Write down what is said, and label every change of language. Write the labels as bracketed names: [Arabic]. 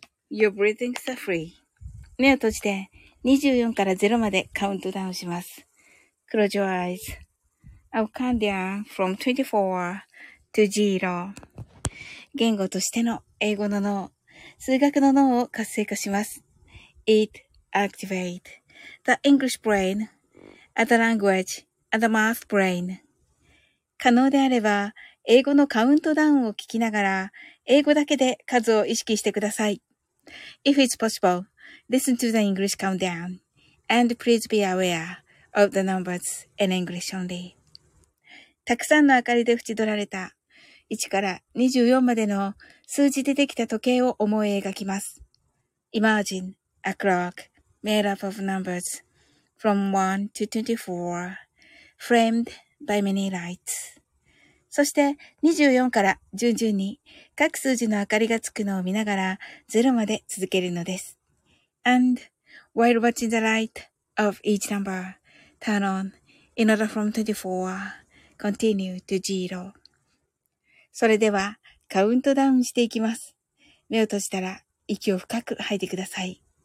[English] You're breathing so free. [Japanese] 目を閉じて24から0までカウントダウンします。 [English] Close your eyes. I'll count down from 24 to 0. [Japanese] 言語としての英語の脳、数学の脳を活性化します。 [English] EatActivate the English brain and the language and the math brain. [Japanese] 可能であれば、英語のカウントダウンを聞きながら、英語だけで数を意識してください。 [English] If it's possible, listen to the English countdown and please be aware of the numbers in English only. [Japanese] たくさんの明かりで縁取られた1から24までの数字でできた時計を思い描きます。 [English] Imagine a clock. Made up of numbers from 1 to 24, framed by many lights. [Japanese] そして24から順々に各数字の明かりがつくのを見ながら0まで続けるのです。 [English] And while watching the light of each number turn on in order from 24, continue to 0. [Japanese] それではカウントダウンしていきます。目を閉じたら息を深く吐いてください。